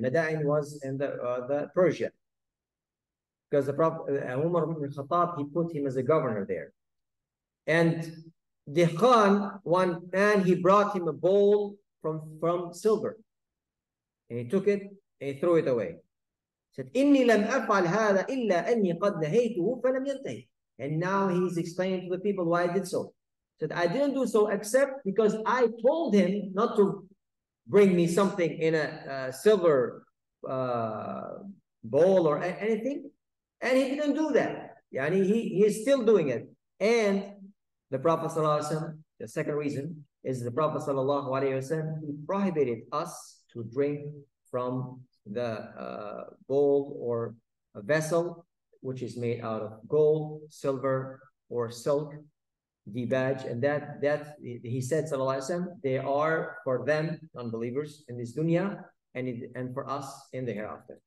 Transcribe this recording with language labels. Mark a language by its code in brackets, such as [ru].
[en] Mada'in was in the Persia. Because the Prophet Umar ibn al-Khattab, he put him as a governor there. And Dihqan, one man, he brought him a bowl from silver. And he took it and he threw it away. He said, [ar] إِنِّي لَمْ أَفْعَلْ هَذَا إِلَّا أَنِّي قَدْ نَهَيْتُهُ فَلَمْ يَنْتَهِ. [en] And now he's explaining to the people why I did so. He said, I didn't do so except because I told him not to bring me something in a silver bowl or anything. And he didn't do that. Yani he is still doing it. And the Prophet Sallallahu Alaihi Wasallam, the second reason is the Prophet Sallallahu Alaihi Wasallam, he prohibited us to drink from the bowl or a vessel which is made out of gold, silver, or silk, the badge, and that he said, sallallahu alaihi wasallam, they are for them, unbelievers, in this dunya, and for us in the hereafter.